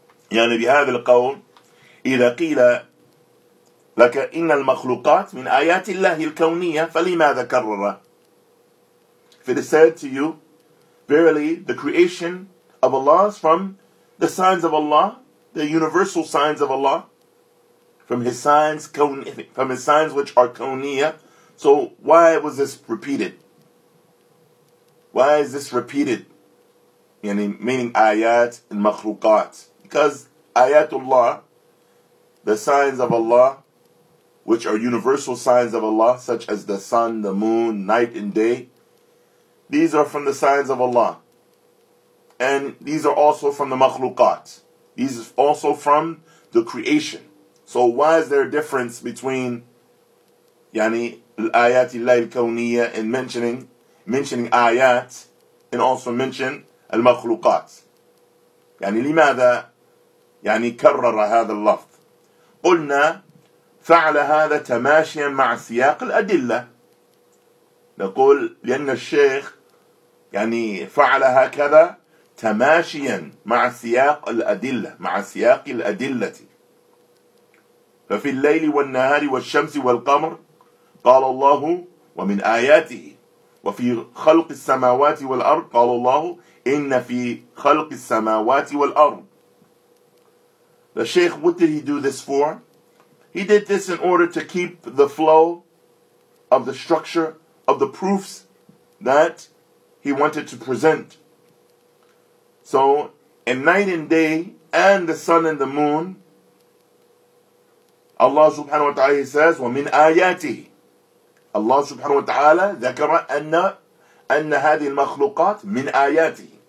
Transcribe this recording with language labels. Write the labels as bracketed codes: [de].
[ar] يعني بهذا القول إذا قيل لك إن المخلوقات من آيات الله الكونية فلماذا كرر؟ [en] If it is said to you, verily the creation of Allah is from the signs of Allah, the universal signs of Allah, from his signs which are kawniya. So why was this repeated? Why is this repeated? Meaning ayat and makhlukat. Because ayatullah, the signs of Allah, which are universal signs of Allah, such as the sun, the moon, night and day, these are from the signs of Allah. And these are also from the makhlukat. These are also from the creation. So why is there a difference between ayat illahi al-kawniyya and mentioning ayat and also mention al-makhlukat? [ar] لماذا كرر هذا اللفظ؟ قلنا فعل هذا تماشيا مع سياق الأدلة. نقول لأن الشيخ فعل هكذا تماشيا مع سياق الأدلة مع سياق الأدلة. ففي الليل والنهار والشمس والقمر قال الله ومن آياته وفي خلق السماوات والأرض قال الله إن في خلق السماوات والأرض. [en] The Shaykh, what did he do this for? He did this in order to keep the flow of the structure of the proofs that he wanted to present. So, in night and day and the sun and the moon, Allah subhanahu wa ta'ala says, [ar] وَمِنْ آيَاتِهِ [en] Allah subhanahu wa ta'ala [ar] ذكر أن هذه المخلوقات من آياته.